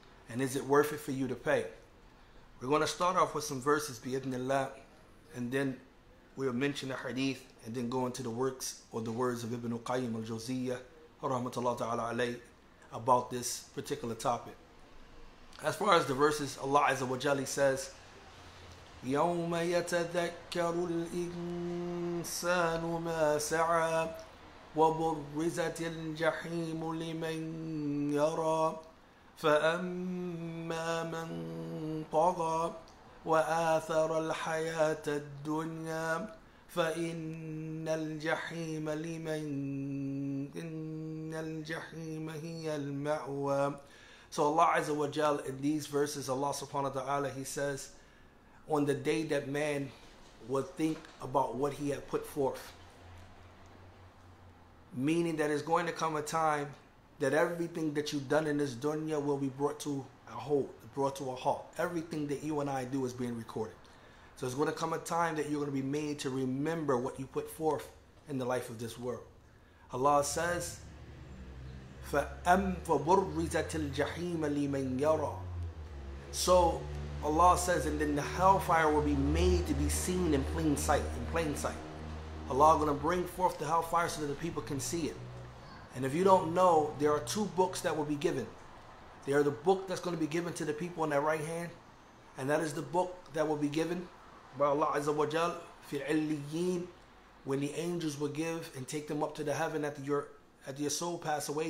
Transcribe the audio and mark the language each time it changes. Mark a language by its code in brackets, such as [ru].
[en] And is it worth it for you to pay? We're going to start off with some verses, bi-ithnillah, and then we'll mention the hadith, and then go into the works or the words of Ibn Qayyim al-Jawziyyah, rahmatullah ta'ala alayh, about this particular topic. As far as the verses, [ar] Allah Azza wa Jalla says, يوم يتذكر الإنسان ما سعى وبرزت الجحيم لمن يرى فأما من طغى وآثر الحياة الدنيا فإن الجحيم لمن إن الجحيم هي المأوى. [en] So Allah Azza wa Jal, in these verses, Allah Subhanahu wa Ta'ala, He says, on the day that man will think about what he had put forth. Meaning that it's going to come a time that everything that you've done in this dunya will be brought to a halt, brought to a halt. Everything that you and I do is being recorded. So it's going to come a time that you're going to be made to remember what you put forth in the life of this world. [ar] Allah says, فَبُرِّزَتِ الْجَحِيمَ لِمَنْ يَرَى. [en] So Allah says, and then the hellfire will be made to be seen in plain sight, in plain sight. Allah is going to bring forth the hellfire so that the people can see it. And if you don't know, there are two books that will be given. There are the book that's going to be given to the people on their right hand, and that is the book that will be given by Allah Azza wa Jal, fi illiyin, when the angels will give and take them up to the heaven after your soul pass away.